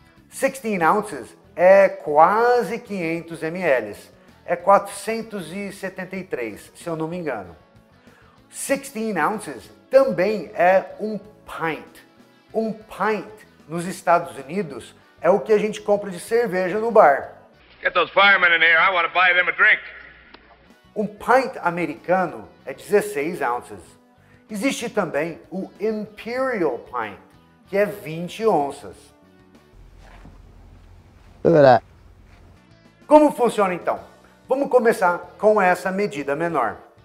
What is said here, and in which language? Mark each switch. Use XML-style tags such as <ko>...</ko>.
<pt>16 ounces é quase 500 ml. É 473, se eu não me engano. 16 ounces também é um pint. Um pint nos Estados Unidos é o que a gente compra de cerveja no bar.</pt> <en>Get those firemen in here. I want to buy them a drink.</en> <pt>Um pint americano é 16 ounces. Existe também o Imperial Pint, que é 20 onças. Como funciona então? Vamos começar com essa medida menor.</pt>